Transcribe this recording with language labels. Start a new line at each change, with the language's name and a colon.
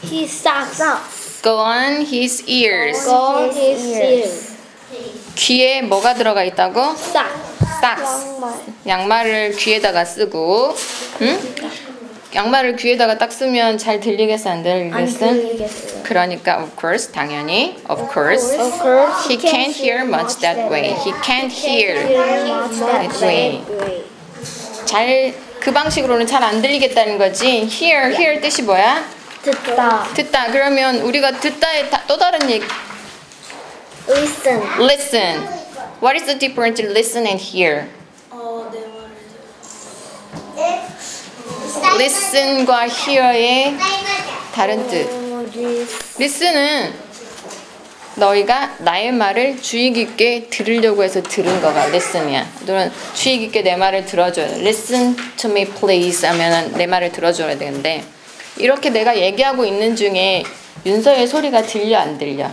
English: His socks. Go on his ears. Go on his ears.
Korean: 귀에 뭐가 들어가 있다고?
English: Socks.
Korean: Socks. 양말을 귀에다가 쓰고. 양말을 귀에다가 딱 쓰면 잘 들리겠어 안 들리겠어? 안 들리겠어요. 그러니까
English: of course
Korean: 당연히 of course.
English: Of course. He can't hear much that way. He can't hear that way.
Korean: 잘 그 방식으로는 잘 안 들리겠다는 거지.
English: Hear, hear
Korean: 뜻이 뭐야? 듣다. 듣다. 그러면 우리가 듣다의 또 다른 얘기.
English: Listen. Listen. What is the difference in listen and hear?
Korean: Listen과 hear의 다른 뜻. Listen은 너희가 나의 말을 주의 깊게 들으려고 해서 들은 거가 listen이야. 너는 주의 깊게 내 말을 들어줘야 돼.
English: Listen to me please
Korean: 하면 내 말을 들어줘야 되는데 이렇게 내가 얘기하고 있는 중에 윤서의 소리가 들려 안 들려?